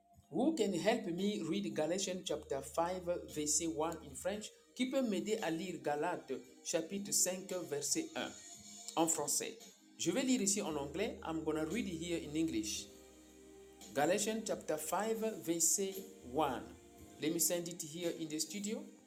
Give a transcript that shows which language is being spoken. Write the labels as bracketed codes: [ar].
[en] Who can help me read Galatians chapter 5, verset 1 in French? [fr] Qui peut m'aider à lire Galates chapitre 5, verset 1 en français? Je vais lire ici en anglais. [en] I'm going to read it here in English. Galatians chapter 5, verset 1. Let me send it here in the studio.